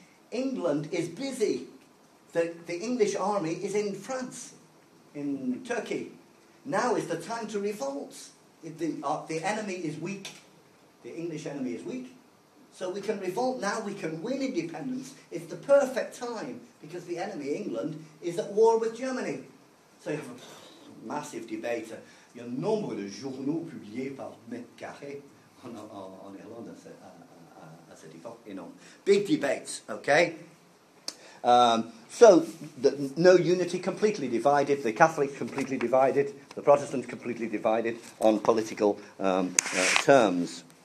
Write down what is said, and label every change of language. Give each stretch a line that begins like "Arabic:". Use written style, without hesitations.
English: England is busy. The English army is in France, in Turkey. Now is the time to revolt. The enemy is weak. The English enemy is weak. So we can revolt now. We can win independence. It's the perfect time because the enemy, England, is at war with Germany. So you have a massive debate.
French: Il y a nombre de journaux publiés par mètre carré en Irlande à cette époque.
English: You know, big debates, okay? No unity, completely divided, the Catholics completely divided, the Protestants completely divided on political terms.